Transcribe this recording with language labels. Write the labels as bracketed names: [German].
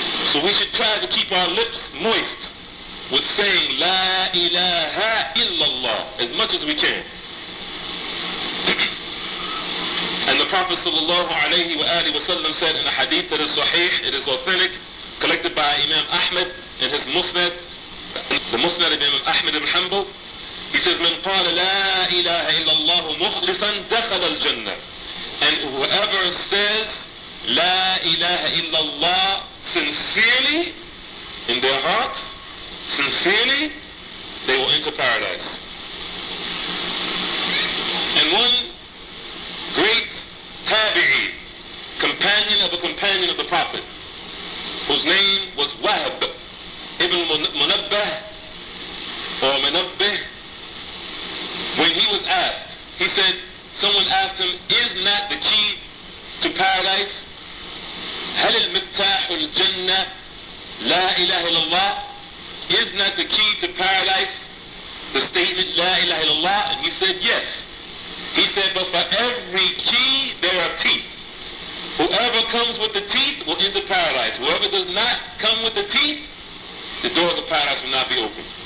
[English] So we should try to keep our lips moist with saying La ilaha illallah as much as we can. And the Prophet sallallahu alayhi wa alihi wa sallam said in a hadith that is sahih, it is authentic, collected by Imam Ahmed in his Musnad, the Musnad of Imam Ahmed ibn Hanbal. He says, [Arabic] من قال لا إله إلا الله مخلصا دخل الجنة. [English] And whoever says [Arabic] لا إله إلا الله [English] sincerely, in their hearts, sincerely, they will enter paradise. And one great tabi'i, companion of a companion of the Prophet, whose name was Wahb ibn Munabbah or Munabbih, when he was asked, he said, someone asked him, is not the key to paradise? [Arabic] هل المفتاح الجنة لا إله إلا الله? [English] Is not the key to paradise the statement [Arabic] لا إله إلا الله? [English] And he said, yes. He said, but for every key, there are teeth. Whoever comes with the teeth will enter paradise. Whoever does not come with the teeth, the doors of paradise will not be open.